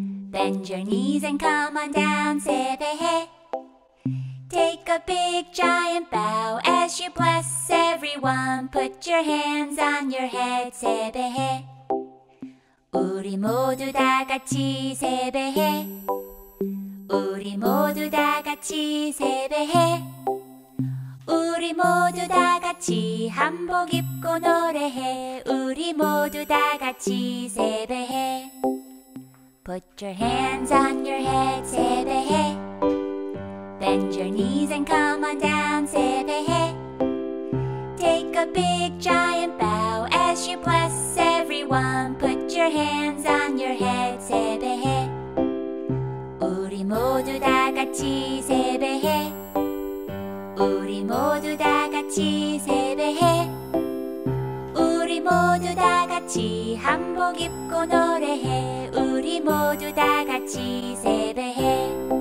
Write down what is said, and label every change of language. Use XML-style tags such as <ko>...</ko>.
<en>Bend your knees and come on down, say behe. Take a big giant bow as you bless everyone. Put your hands on your head, say behe.</en> <ko>우리 모두 다 같이 세배해. 우리 모두 다 같이 세배해. 우리 모두 다 같이 한복 입고 노래해. 우리 모두 다 같이 세배해.</ko> <en>Put your hands on your head,</en> <ko>세배해.</ko> <en>Bend your knees and come on down, 세배해. Take a big giant bow as you bless everyone. Put your hands on your head,</en> <ko>세배해. 우리 모두 다 같이 세배해. 우리 모두 다 같이 세배해. 우리 모두 다 같이 한복 입고 노래해. 우리 모두 다 같이 세배해.</ko>